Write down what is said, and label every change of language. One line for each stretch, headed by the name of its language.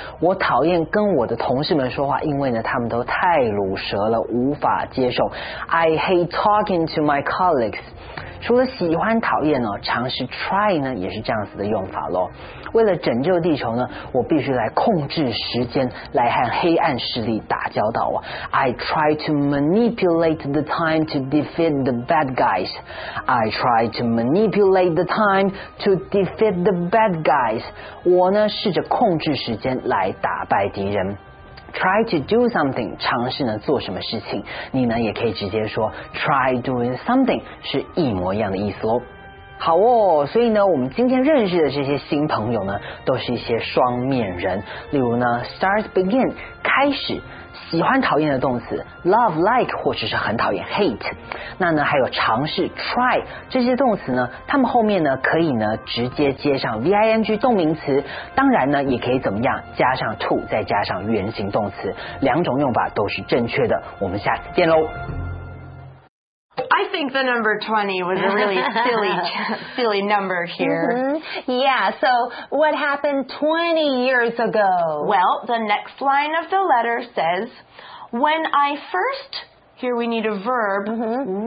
Chinese: 我讨厌跟我的同事们说话，因为呢他们都太鲁舌了，无法接受。
English: I hate talking to my colleagues。
Chinese: 除了喜欢讨厌呢，尝试 try 呢也是这样子的用法咯。为了拯救地球呢，我必须来控制时间，来和黑暗势力打交道啊。
English: I try to manipulate the time to defeat the bad guys. I try to manipulate the time to defeat the bad guys.
Chinese: 我呢试着控制时间来打败敌人。
English: Try to do something,
Chinese: 尝试呢做什么事情，你呢也可以直接说
English: try doing something,
Chinese: 是一模一样的意思哦。好哦，所以呢我们今天认识的这些新朋友呢都是一些双面人，例如呢 start begin, 开始，喜欢讨厌的动词 love like 或者是很讨厌 hate。那呢还有尝试 try 这些动词呢，他们后面呢可以呢直接接上 ving 动名词，当然呢也可以怎么样加上 to 再加上原形动词，两种用法都是正确的。我们下次见咯。
English: I think the number 20 was a really silly number here. Mm-hmm. Yeah, so what happened 20 years ago? Well, the next line of the letter says, when I first, here we need a verb, mm-hmm.